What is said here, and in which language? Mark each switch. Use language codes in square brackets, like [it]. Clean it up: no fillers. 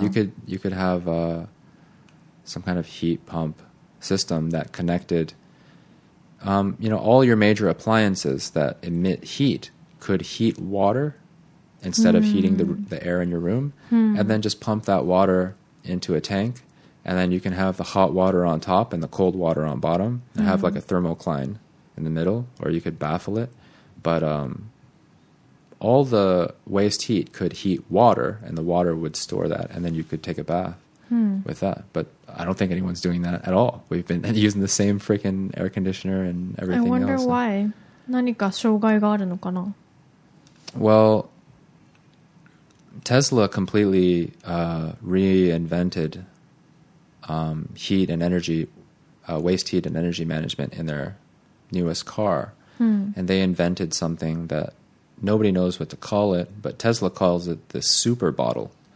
[en] You could have some kind of heat pump system that connected, all your major appliances that emit heat could heat water instead of heating the air in your room, and then just pump that water into a tank, and then you can have the hot water on top and the cold water on bottom, and have like a thermocline in the middle, or you could baffle it, but... All the waste heat could heat water, and the water would store that, and then you could take a bath with that. But I don't think anyone's doing that at all. We've been using the same freaking air conditioner and everything else. I wonder why. [ja] 何か障害があるのかな? [en] Well, Tesla completely reinvented heat and energy, waste heat and energy management in their newest car. And they invented something that... Nobody knows what to call it, but Tesla calls it the super bottle.